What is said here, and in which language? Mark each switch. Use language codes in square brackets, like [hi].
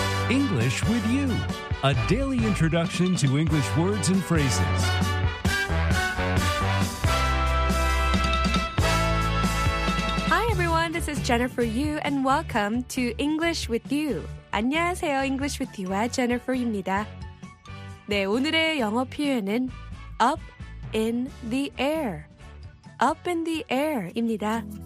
[en] English with you, a daily introduction to English words and phrases. Hi everyone, this is Jennifer Yu and welcome to English with you. [ko] 안녕하세요, English with you와 Jennifer입니다. 네, 오늘의 영어 표현은 up in the air. Up in the air입니다.